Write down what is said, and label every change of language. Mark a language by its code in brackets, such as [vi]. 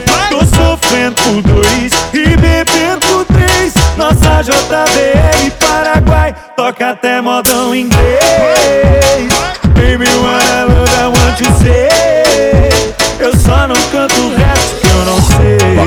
[pt] Tô sofrendo por dois e bebendo por três. Nossa JBL Paraguai toca até modão inglês. [en] Baby, what I love, I want you say. [pt] Eu só não canto o resto que eu não sei.